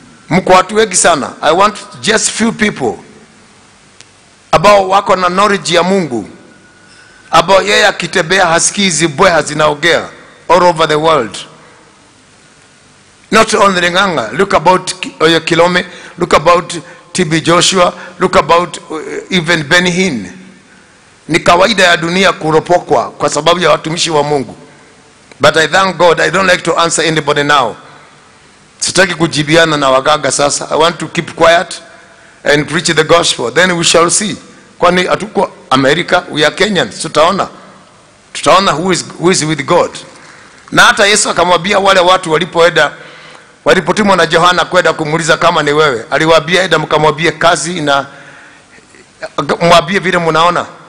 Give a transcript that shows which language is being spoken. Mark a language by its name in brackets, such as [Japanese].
[Swahili] Mko watu wengi sana. [English] I want just few people [Swahili] ambao wako na knowledge ya Mungu, ambao yeye akitembea hasikii zibweha zinaongea [English] all over the world. Not only Ng'ang'a, look about Oyekilome, look about TB Joshua, look about even Ben Hin. [Swahili] Ni kawaida ya dunia kuropokwa kwa sababu ya watumishi wa Mungu. [English] But I thank God, I don't like to answer anybody now. [Swahili] Sitaki kujibiana na waganga sasa. [English] I want to keep quiet and preach the gospel. Then we shall see. [Swahili] Kwani atuko America, [English] we are Kenyans. [Swahili] Tutaona [English] who is with God. [Swahili] Na hata Yesu akamwambia wale watu walipoenda, walipotumwa na Johana kwenda kumuliza kama ni wewe, aliwaambia enda mkamwambie kazi na mwambie vile mnaona.